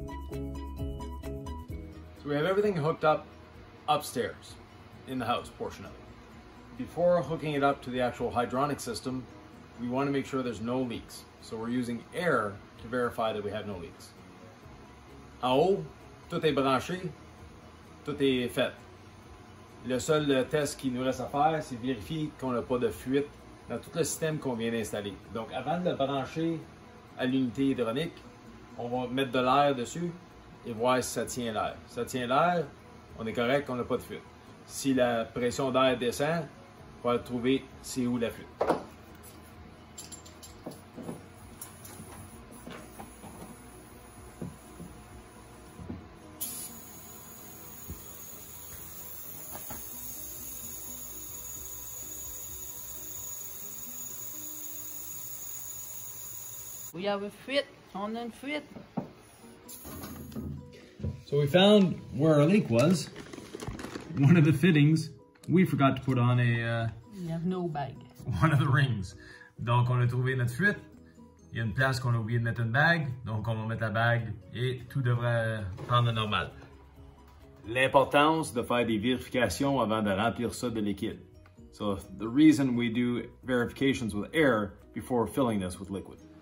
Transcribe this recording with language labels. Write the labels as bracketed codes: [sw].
[en] So we have everything hooked up upstairs in the house portion of it. Before hooking it up to the actual hydronic system, we want to make sure there's no leaks. So we're using air to verify that we have no leaks. [fr] En haut, tout est branché, tout est fait. Le seul test qui nous reste à faire, c'est vérifier qu'on n'a pas de fuite dans tout le système qu'on vient d'installer. Donc avant de le brancher à l'unité hydronique, on va mettre de l'air dessus et voir si ça tient l'air. Si ça tient l'air, on est correct, on n'a pas de fuite. Si la pression d'air descend, on va trouver c'est où la fuite. [en] We have a [fr] fuite, on a fuite. [en] So we found where our leak was. One of the fittings, we forgot to put on a... We have no bag. One of the rings. [fr] Donc on a trouvé notre fuite. Il y a une place qu'on a oublié de mettre une bague. Donc on va mettre la bague et tout devrait prendre le normal. L'importance de faire des vérifications avant de remplir ça de liquide. [en] So the reason we do verifications with air before filling this with liquid.